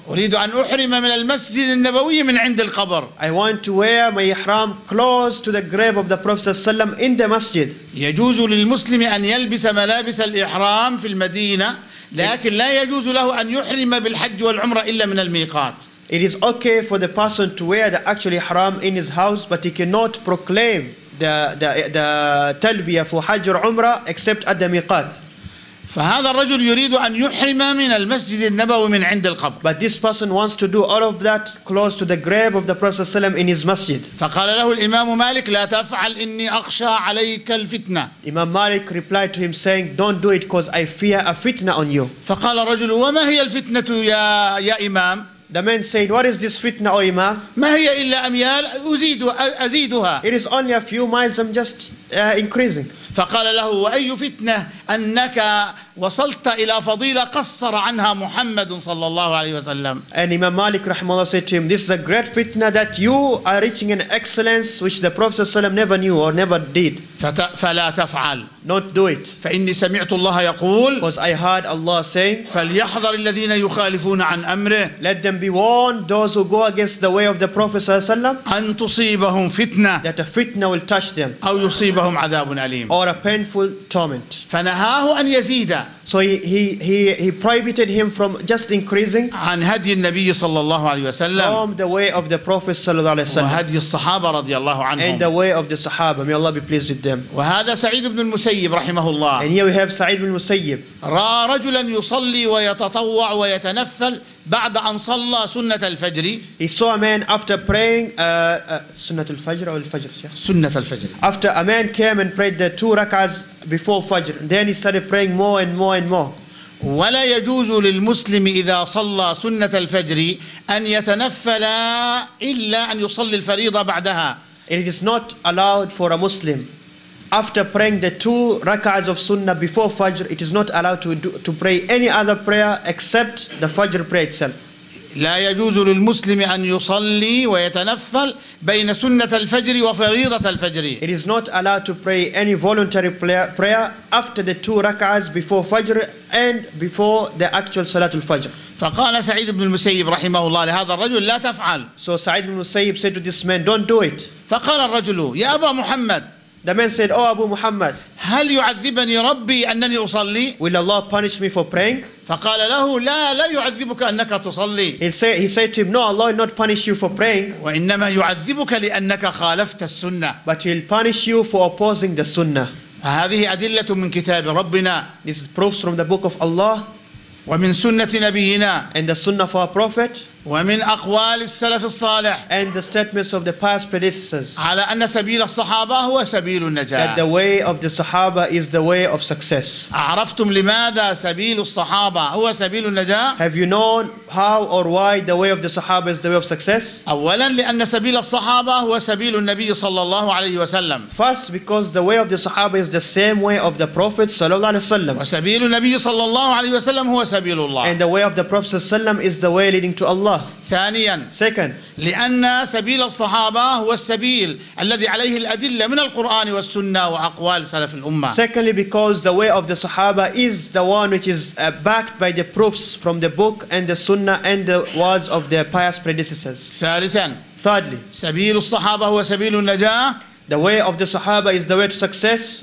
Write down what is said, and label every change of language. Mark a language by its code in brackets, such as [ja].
[ar] أريد أن أحرم من المسجد النبوي من عند القبر. [en] I want to wear my ihram close to the grave of the Prophet [ar] صلى الله عليه وسلم [en] in the masjid. [ar] يجوز للمسلم أن يلبس ملابس الإحرام في المدينة، لكن لا يجوز له أن يحرم بالحج والعمرة إلا من الميقات. [en] It is okay for the person to wear the actual ihram in his house, but he cannot proclaim the talbiyah for Hajj or Umrah except at the miqat. [ar] فهذا الرجل يريد أن يحرم من المسجد النبوي من عند القبر. [en] But this person wants to do all of that close to the grave of the Prophet [ar] ﷺ [en] in his masjid. [ar] فقال له الإمام مالك لا تفعل إني أخشى عليك الفتنة. [en] Imam Malik replied to him saying, don't do it because I fear a fitna on you. [ar] فقال الرجل وما هي الفتنة يا إمام؟ [en] The man said, "What is this fitna, O Imam?" [ar] ما هي إلا أميال أزيد أزيدها. [en] It is only a few miles. I'm just increasing. [ar] فقال له وأي فتنة أنك وصلت إلى فضيلة قصر عنها محمد صلى الله عليه وسلم. [en] And Imam Malik [ar] رحمه الله [en] said to him, "This is a great fitna that you are reaching an excellence which the Prophet [ar] صلى الله عليه وسلم [en] never knew or never did." [ar] فلا تفعل. [en] Not do it. [ar] فإني سمعت الله يقول. [en] Because I heard Allah saying. [ar] فليحذر الذين يخالفون عن أمره. [en] Let them be warned, those who go against the way of the Prophet [ar] صلى الله عليه وسلم. أن تصيبهم فتنة. [en] That a fitna will touch them. [ar] أو يصيبهم عذاب أليم. [en] Or a painful torment. [ar] فنهاه أن يزيد. [en] So he prohibited him from just increasing. [ar] عن هدي النبي صلى الله عليه وسلم. [en] From the way of the Prophet [ar] صلى الله عليه وسلم. وهدي الصحابة رضي الله عنهم. [en] And the way of the Sahaba. May Allah be pleased with them. [ar] وهذا سعيد بن المسيب رحمه الله. [en] And here we have سعيد بن المسيب. [ar] رأى رجلا يصلي ويتطوع ويتنفل بعد أن صلى سنة الفجر. [en] He saw a man after praying [ar] سنة الفجر أو الفجر. سنة الفجر. [en] After a man came and prayed the two rak'ahs before Fajr, then he started praying more and more and more. [ar] ولا يجوز للمسلم إذا صلى سنة الفجر أن يتنفل إلا أن يصلي الفريضة بعدها. [en] It is not allowed for a Muslim after praying the two rak'ahs of sunnah before Fajr, it is not allowed to pray any other prayer except the Fajr prayer itself. [ar] لا يجوز للمسلم أن يصلي ويتنفل بين سنة الفجر وفريضة الفجر. [en] It is not allowed to pray any voluntary prayer after the two rak'ahs before Fajr and before the actual Salat al-Fajr. [ar] فقال سعيد بن المسيب رحمه الله لهذا الرجل لا تفعل. [en] So سعيد بن المسيب said to this man, don't do it. [ar] فقال الرجل يا أبا محمد. [en] The man said, oh Abu Muhammad. [ar] هل يعذبني ربي أنني أصلي؟ [en] Will Allah punish me for praying? [ar] فقال له لا لا يعذبك أنك تصلي. [en] He said to him, no, Allah will not punish you for praying. [ar] وإنما يعذبك لأنك خالفت السنة. [en] But he'll punish you for opposing the sunnah. [ar] فهذه أدلة من كتاب ربنا. [en] This is proofs from the book of Allah. [ar] ومن سنة نبينا. [en] And the sunnah of our prophet. [ar] ومن أقوال السلف الصالح. [en] And the statements of the past predecessors. [ar] على أن سبيل الصحابة هو سبيل النجاة. [en] That the way of the Sahaba is the way of success. [ar] عرفتم لماذا سبيل الصحابة هو سبيل النجاة؟ [en] Have you known how or why the way of the Sahaba is the way of success? [ar] أولا لأن سبيل الصحابة هو سبيل النبي صلى الله عليه وسلم. [en] First, because the way of the Sahaba is the same way of the Prophet [ar] صلى الله عليه وسلم. وسبيل النبي صلى الله عليه وسلم هو سبيل الله. [en] And the way of the Prophet [ar] صلى الله عليه وسلم [en] is the way leading to Allah. [ar] ثانيا. [en] Second. [ar] لأن سبيل الصحابة هو السبيل الذي عليه الأدلة من القرآن والسنة وأقوال سلف الأمة. [en] Secondly, because the way of the Sahaba is the one which is backed by the proofs from the book and the Sunnah and the words of their pious predecessors. [ar] ثالثا. [en] Thirdly. [ar] سبيل الصحابة هو سبيل النجاة. [en] The way of the Sahaba is the way to success.